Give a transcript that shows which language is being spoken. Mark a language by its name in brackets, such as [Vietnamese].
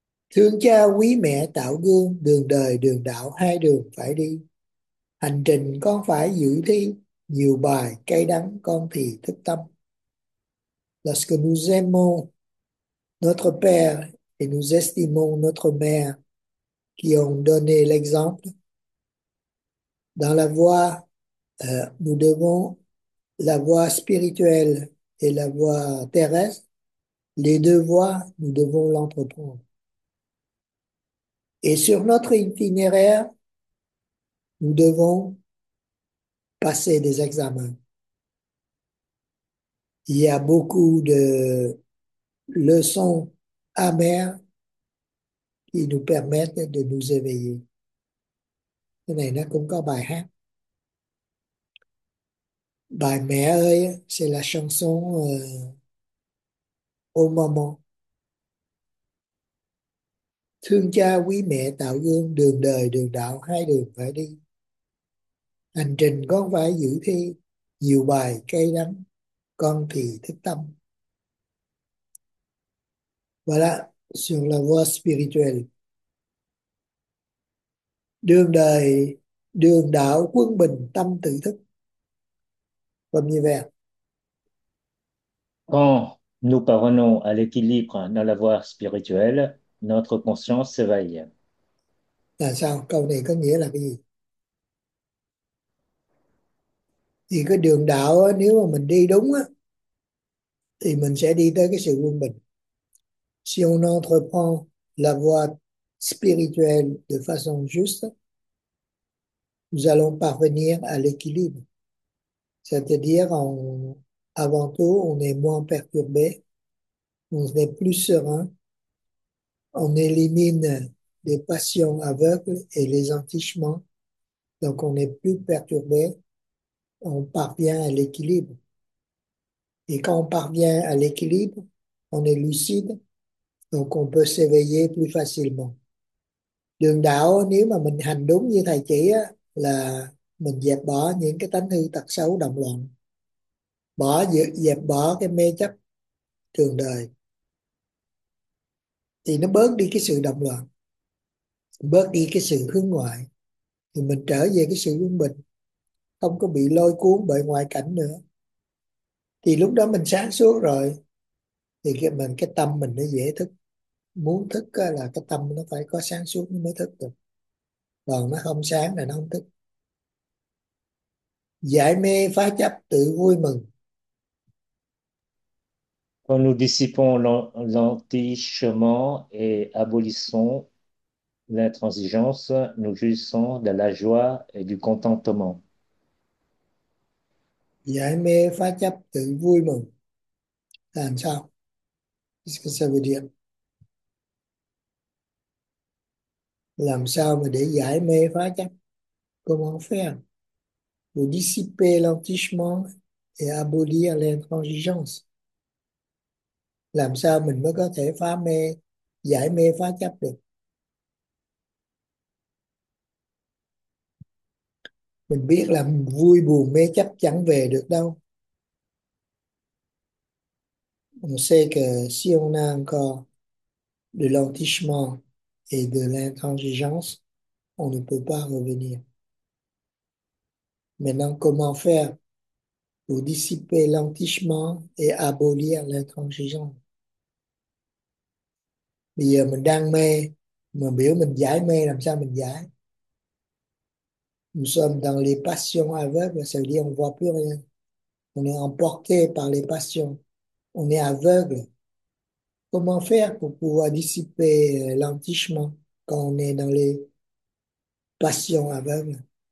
[Vietnamese] Thương cha quý mẹ tạo gương, đường đời đường đạo hai đường phải đi. Hành trình con phải dự thi, nhiều bài cay đắng con thì thức tâm. [French] Lorsque nous aimons notre père et nous estimons notre mère qui ont donné l'exemple, dans la voie, nous devons la voie spirituelle et la voie terrestre, les deux voies, nous devons l'entreprendre. Et sur notre itinéraire, nous devons passer des examens. Il y a beaucoup de leçons amères qui nous permettent de nous éveiller. [Vietnamese] Cái này nó cũng có bài hát. Bài Mẹ ơi, [French] c'est la chanson au moment. [Vietnamese] Thương cha quý mẹ tạo gương, đường đời đường đạo hai đường phải đi. Hành trình con phải dự thi, nhiều bài cay đắng con thì thức tâm. [French] Voilà, sur la voie spirituelle. [Vietnamese] Đường đời, đường đạo quân bình tâm tự thức. Comme như vậy. [French] Quand nous parvenons à l'équilibre dans la voie spirituelle, notre conscience s'éveille. [Vietnamese] Là sao? Câu này có nghĩa là cái gì? Thì cái đường đạo á, nếu mà mình đi đúng á, thì mình sẽ đi tới cái sự quân bình. [French] Si on entreprend la voie spirituelle de façon juste, nous allons parvenir à l'équilibre. C'est-à-dire, avant tout, on est moins perturbé, on est plus serein, on élimine les passions aveugles et les entichements, donc on est plus perturbé, on parvient à l'équilibre. Et quand on parvient à l'équilibre, on est lucide, donc on peut s'éveiller plus facilement. [Vietnamese] Đường đạo nếu mà mình hành đúng như thầy chỉ á, là mình dẹp bỏ những cái tánh hư tật xấu động loạn, bỏ dẹp bỏ cái mê chấp trường đời, thì nó bớt đi cái sự động loạn, bớt đi cái sự hướng ngoại, thì mình trở về cái sự quân bình, không có bị lôi cuốn bởi ngoại cảnh nữa. Thì lúc đó mình sáng suốt rồi, thì cái tâm mình nó dễ thức. Muốn thức là cái tâm nó phải có sáng suốt mới thức được, còn nó không sáng là nó không thức. Giải mê phá chấp tự vui mừng. [French] Quand nous dissipons l'antichement et abolissons l'intransigeance, nous jouissons de la joie et du contentement. [Vietnamese] Giải mê phá chấp tự vui mừng. Làm sao? Sao vậy điện? Làm sao mà để giải mê phá chấp? [French] Comment faire pour dissiper l'entichement et abolir l'intransigeance? [Vietnamese] Làm sao mình mới có thể phá mê, giải mê phá chấp được? Mình biết là vui buồn mê chấp chẳng về được đâu. [French] On sait que si on a encore de l'entichement et de l'intransigeance, on ne peut pas revenir. Maintenant, comment faire pour dissiper l'entichement et abolir l'intransigeance? [Vietnamese] Bây giờ mình đang mê, mà biểu mình giải mê, làm sao mình giải? [French] Nous sommes dans les passions aveugles, ça veut dire on ne voit plus rien. On est emporté par les passions. On est aveugle. Comment faire pour pouvoir dissiper l'entichement quand on est dans les passions aveugles?